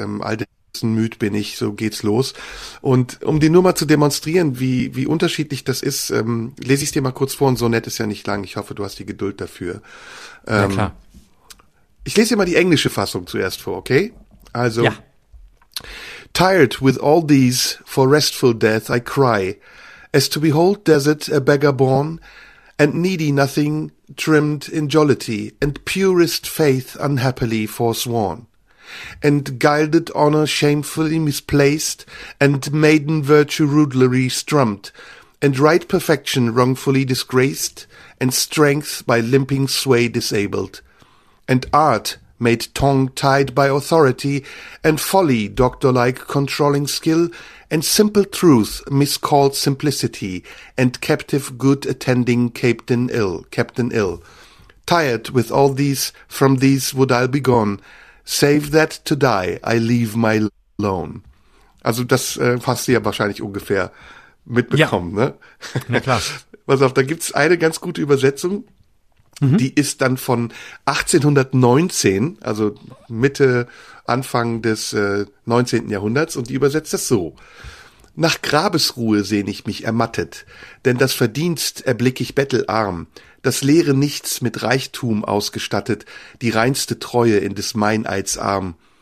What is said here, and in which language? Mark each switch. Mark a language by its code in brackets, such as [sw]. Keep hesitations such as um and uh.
[de] Ähm, all dessen müd bin ich, so geht's los. Und um dir nur mal zu demonstrieren, wie, wie unterschiedlich das ist, ähm, lese ich dir mal kurz vor. Ein Sonett ist ja nicht lang. Ich hoffe, du hast die Geduld dafür. Na klar. Ich lese dir mal die englische Fassung zuerst vor, okay? Also. Ja. [en] Tired with all these, for restful death I cry, as to behold desert a beggar born, and needy nothing, trimmed in jollity, and purest faith unhappily forsworn, and gilded honour shamefully misplaced, and maiden virtue rudely strumped, and right perfection wrongfully disgraced, and strength by limping sway disabled and art made tongue tied by authority, and folly doctor-like controlling skill, and simple truth miscalled simplicity, and captive good attending captain ill, captain ill. Tired with all these, from these would I be gone, Save that to die, I leave my alone. [de] Also das äh, hast du ja wahrscheinlich ungefähr mitbekommen, ne? Na klar. Pass auf, da gibt's eine ganz gute Übersetzung. Die ist dann von 1819, also Mitte, Anfang des äh, 19. Jahrhunderts und die übersetzt das so. Nach Grabesruhe sehn ich mich ermattet, denn das Verdienst erblick ich bettelarm, das leere Nichts mit Reichtum ausgestattet, die reinste Treue in des Meineids arm.